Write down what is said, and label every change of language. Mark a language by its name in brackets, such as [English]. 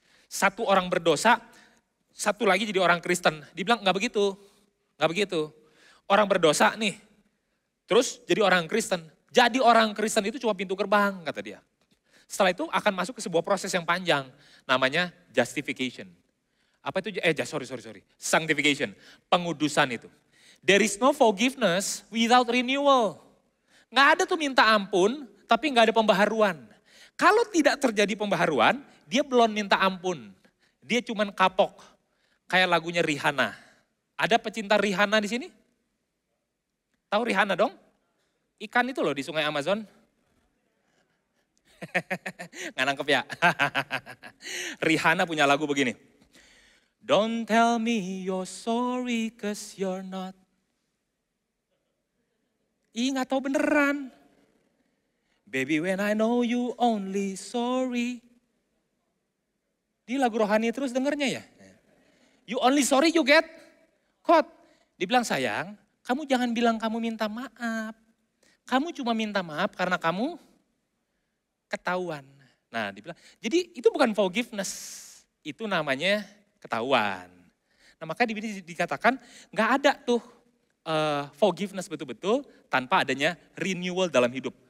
[Indonesian] Satu orang berdosa, satu lagi jadi orang Kristen. Dibilang gak begitu, gak begitu. Orang berdosa nih, terus jadi orang Kristen. Jadi orang Kristen itu cuma pintu gerbang, kata dia. Setelah itu akan masuk ke sebuah proses yang panjang, namanya justification. Apa itu, sanctification, pengudusan itu. [English] There is no forgiveness without renewal. [Indonesian] Gak ada tuh minta ampun, tapi gak ada pembaharuan. Kalau tidak terjadi pembaharuan, dia belum minta ampun. Dia cuman kapok, kayak lagunya Rihanna. Ada pecinta Rihanna di sini? Tahu Rihanna dong? Ikan itu loh di sungai Amazon. Gak nangkep ya? Rihanna punya lagu begini. [English] Don't tell me you're sorry 'cause you're not. [Indonesian] Ih, gak tau beneran. [English] Baby, when I know you only sorry. [Indonesian] Di lagu rohani terus dengernya ya. [English] You only sorry you get caught. [Indonesian] Dibilang sayang, kamu jangan bilang kamu minta maaf. Kamu cuma minta maaf karena kamu ketahuan. Nah, dibilang. Jadi itu bukan forgiveness. Itu namanya ketahuan. Nah, makanya dikatakan gak ada tuh forgiveness betul-betul tanpa adanya renewal dalam hidup.